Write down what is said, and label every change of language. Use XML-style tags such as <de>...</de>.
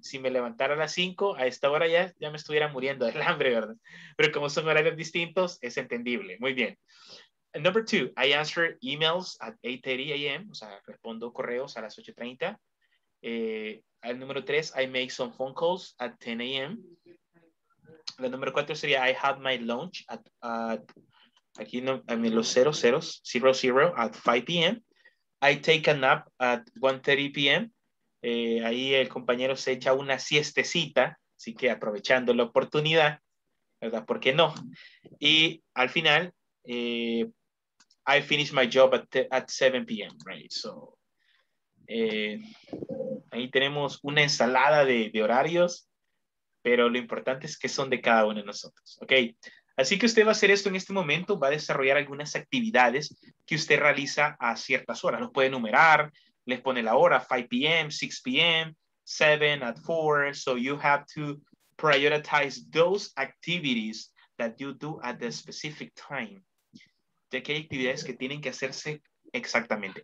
<es>Si me levantara a las 5, a esta hora ya me estuviera muriendo del hambre, ¿verdad? Pero como son horarios distintos, es entendible. Muy bien.</es> <en>And number 2, I answer emails at 8:30 a.m.</en> <es>O sea, respondo correos a las 8:30. El número 3,</es> <en>I make some phone calls at 10 a.m.</en> <es>La número 4 sería,</es> <en>I have my lunch at aquí no, I mean, los 00:00 at 5 p.m. I take a nap at 1:30 p.m.</en> <es>Ahí el compañero se echa una siestecita, así que aprovechando la oportunidad, ¿verdad? ¿Por qué no? Y al final,</es> <en>I finish my job at 7 p.m., right?</en> <es>So, ahí tenemos una ensalada de horarios, pero lo importante es que son de cada uno de nosotros, ¿ok? Así que usted va a hacer esto en este momento, va a desarrollar algunas actividades que usted realiza a ciertas horas. Los puede numerar, les pone la hora, 5 p.m., 6 p.m., 7, at 4.</es> <en>So you have to prioritize those activities that you do at the specific time.</en> <es>De que hay actividades que tienen que hacerse exactamente.</es>